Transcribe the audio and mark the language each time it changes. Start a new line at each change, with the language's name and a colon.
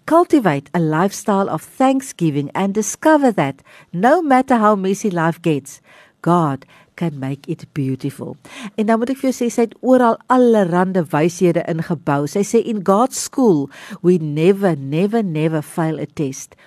English: Cultivate a lifestyle of thanksgiving and discover that no matter how messy life gets, God can make it beautiful.
Afrikaans: En dan moet ek vir jou sê, sy het oral allerhande wyshede ingebou. Sy sê,
English: in God's school, we never, never, never fail a test.